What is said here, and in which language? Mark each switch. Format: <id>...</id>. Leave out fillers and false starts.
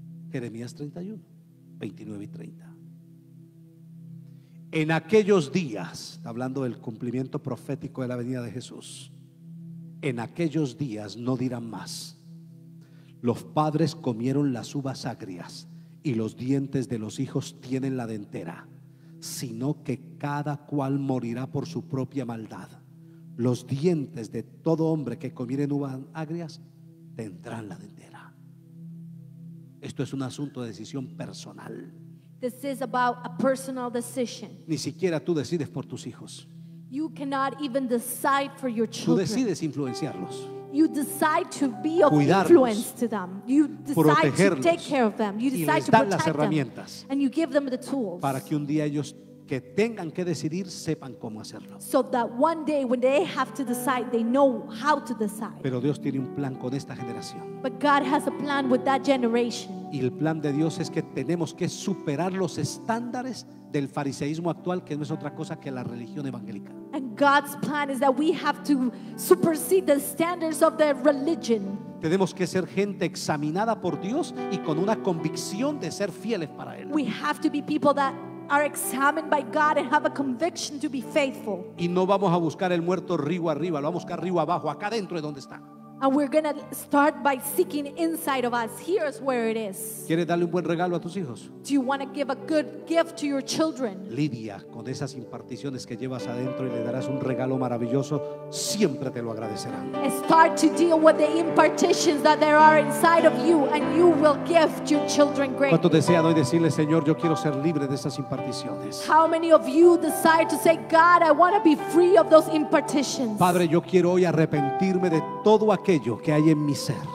<es>Jeremías 31, 29 y 30. En aquellos días, hablando del cumplimiento profético de la venida de Jesús, en aquellos días no dirán más: los padres comieron las uvas agrias y los dientes de los hijos tienen la dentera, sino que cada cual morirá por su propia maldad. Los dientes de todo hombre que comiere uvas agrias tendrán la dentera. Esto es un asunto de decisión personal.</es> <en>This is about a personal decision.</en> <es>Ni siquiera tú decides por tus hijos.</es> <en>You cannot even decide for your children.</en> <es>Tú decides influenciarlos.</es> <en>You decide to be of</en> <es>cuidarlos,</es> <en>influence to them. You decide to take care of them. You decide</en> <es>y les dan</es> <en>to protect</en> <es>las herramientas</es> <en>them. And you give them the tools.</en> <es>Para que un día ellos que tengan que decidir sepan cómo hacerlo.</es> <en>So that one day when they have to decide, they know how to decide.</en> <es>Pero Dios tiene un plan con esta generación.</es> <en>But God has a plan with that generation.</en> <es>Y el plan de Dios es que tenemos que superar los estándares del fariseísmo actual, que no es otra cosa que la religión evangélica.</es> <en>And God's plan is that we have to supersede the standards of the religion.</en> <es>Tenemos que ser gente examinada por Dios y con una convicción de ser fieles para él.</es> <en>We have to be people that are examined by God and have a conviction to be faithful.</en> <es>Y no vamos a buscar el muerto río arriba, lo vamos a buscar río abajo, acá dentro de donde está.</es> <en>And we're going to start by seeking inside of us. Here's where it is.</en> <es>¿Quieres darle un buen regalo a tus hijos?</es> <en>Do you want to give a good gift to your children?</en> <es>Lidia con esas imparticiones que llevas adentro y le darás un regalo maravilloso, siempre te lo agradecerán.</es> <en>And start to deal with the impartitions that there are inside of you and you will gift your children great.</en> <es>¿Cuánto desean hoy decirle, Señor, yo quiero ser libre de esas imparticiones?</es> <en>How many of you decide to say, God, I want to be free of those impartitions?</en> <es>Padre, yo quiero hoy arrepentirme de todo aquello que hay en mi ser.</es>